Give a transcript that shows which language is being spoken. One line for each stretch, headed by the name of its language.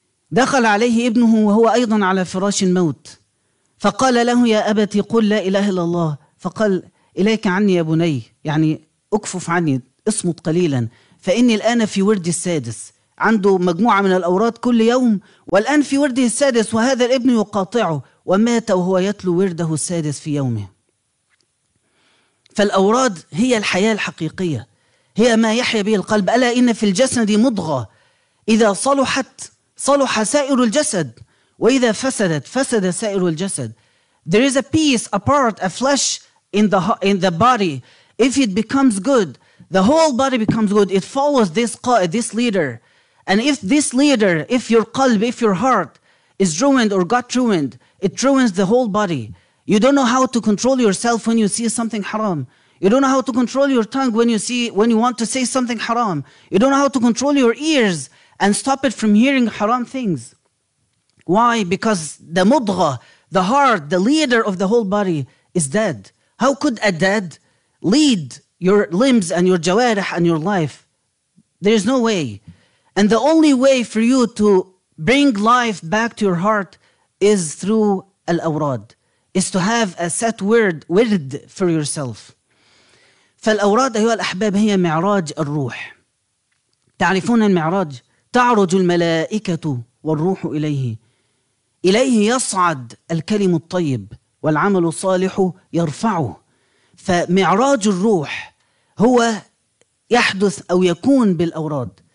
Arabic: دخل عليه ابنه وهو أيضا على فراش الموت فقال له يا أبتي قل لا إله إلا الله فقال إليك عني يا بني يعني أكفف عني اصمت قليلا فإني الآن في وردي السادس عنده مجموعة من الأوراد كل يوم والآن في وردي السادس وهذا الابن يقاطعه ومات وهو يتلو ورده السادس في يومه فالأوراد هي الحياة الحقيقية هي ما يحيى به القلب. ألا إن في الجسد مضغة إذا صلحت صلح سائر الجسد وإذا فسدت فسد سائر الجسد.
English: There is a piece, a part, a flesh in the body. If it becomes good, the whole body becomes good. It follows this قائد, this leader. And if this leader, if your قلب, if your heart is ruined or got ruined, it ruins the whole body. You don't know how to control yourself when you see something haram. You don't know how to control your tongue when you want to say something haram. You don't know how to control your ears and stop it from hearing haram things. Why? Because the mudgha, the heart, the leader of the whole body is dead. How could a dead lead your limbs and your jawarih and your life? There is no way. And the only way for you to bring life back to your heart is through al-awrad, is to have a set word, wird, for yourself.
Arabic: فالأوراد أيها الأحباب هي معراج الروح. تعرفون المعراج؟ تعرج الملائكة والروح إليه. إليه يصعد الكلم الطيب والعمل الصالح يرفعه. فمعراج الروح هو يحدث أو يكون بالأوراد.